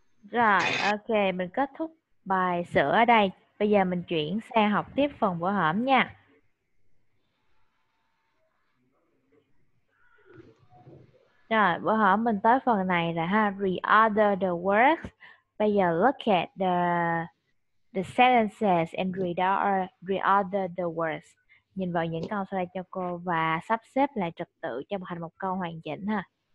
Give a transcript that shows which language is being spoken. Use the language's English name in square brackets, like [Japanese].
[Vietnamese] Rồi, ok, mình kết thúc bài sửa ở đây. Bây giờ mình chuyển sang học tiếp phần của hổm nha. Rồi, bữa hôm mình tới phần này là ha, [English] reorder the words. [Vietnamese] Bây giờ [English] look at the sentences and reorder the words. [Vietnamese] Nhìn vào những câu sau đây cho cô và sắp xếp lại trật tự cho thành một câu hoàn chỉnh ha.